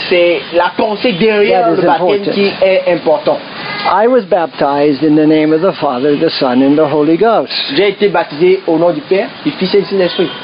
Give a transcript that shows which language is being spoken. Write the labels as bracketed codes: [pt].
[fr] C'est la pensée derrière le baptême qui est important. [en] I was baptized in the name of the Father, the Son, and the Holy Ghost. [fr] J'ai été baptisé au nom du Père, du Fils et du Saint-Esprit.